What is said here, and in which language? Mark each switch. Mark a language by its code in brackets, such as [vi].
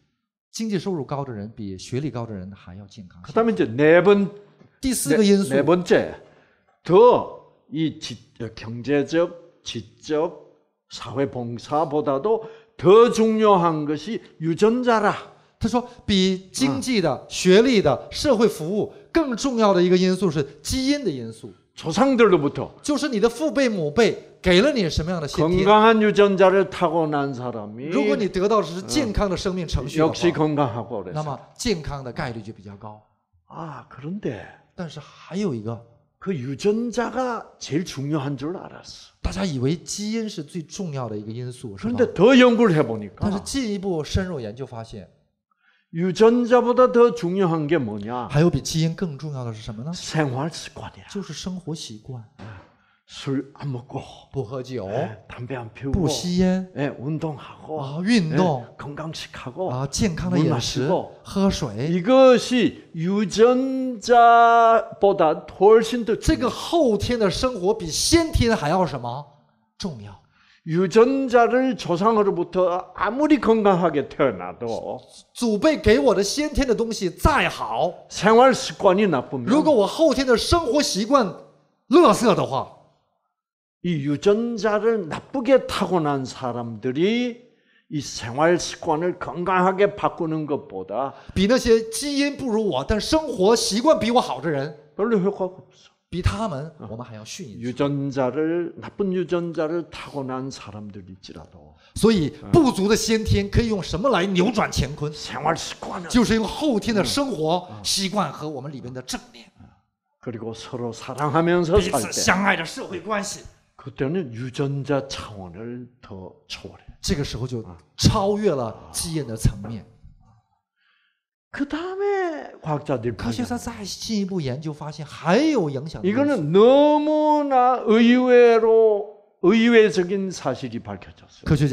[zh] 所以对一个人的幸福健康，一个人能否去自愿的去服务，有这种服务精神的人，比经济收入高的人，比学历高的人还要健康。 [ko] 그다음에 이제 네 번, [zh] 第四个因素。 [ko] 네 번째, 더 이 경제적 지적 사회 봉사보다도 더 중요한 것이 유전자라. [zh] 他说比经济的、学历的、社会服务更重要的一个因素是基因的因素。 [ko] 조상들로부터 [zh] 就是你的父辈母辈给了你什么样的先天。 [ko] 건강한 유전자를 타고난 사람이 [zh] 如果你得到的是健康的生命程序， [ko] 역시 건강하고 [zh] 那么健康的概率就比较高。 [ko] 아, 그런데 [zh] 但是还有一个， [ko] 그 유전자가 제일 중요한 줄 알았어. [zh] 大家以为基因是最重要的一个因素。 [ko] 그런데 더 연구를 해보니까. [zh] 但是进一步深入研究发现。 [ko] 유전자보다 더 중요한 게 뭐냐? [zh] 还有比基因更重要的是什么呢？ [ko] 생활 습관이야. [zh] 就是生活习惯。 [ko] 술 안 먹고. [zh] 不喝酒。 [ko] 담배 안 피우고. [zh] 不吸烟。 [ko] 예, 운동하고. [zh] 아, 运动。 예, [ko] 건강식하고. [zh] 아, 健康的饮食。 [ko] 물 마시고. [zh] 喝水。 [ko] 이것이 유전자보다 훨씬 더. [zh] 这个后天的生活比先天还要什么重要？ [ko] 유전자를 조상으로부터 아무리 건강하게 태어나도 [zh] 祖辈给我的先天的东西再好， [ko] 생활 습관이 나쁘면 [zh] 如果我后天的生活习惯垃圾的话， [ko] 이 유전자를 나쁘게 타고난 사람들이 이 생활 습관을 건강하게 바꾸는 것보다 [zh] 比那些基因不如我但生活习惯比我好的人 [ko] 별로 효과가 없어. [zh] 比他们，我们还要逊一筹。 [ko] 유전자를 나쁜 유전자를 타고난 사람들일지라도. [zh] 所以不足的先天可以用什么来扭转乾坤？ [ko] 생활습관. [zh] 就是用后天的生活习惯和我们里面的正念。 [ko] 그리고 서로 사랑하면서 살 때. [zh] 彼此相爱的社会关系。 [ko] 그때는 유전자 차원을 더 초월해. [zh] 这个时候就超越了基因的层面。 [ko] 그 다음에 과학자들 [zh] 科学家再进一步研究发现还有影响。 [ko] 이거는 너무나 의외로 의외적인 사실이 밝혀졌어요.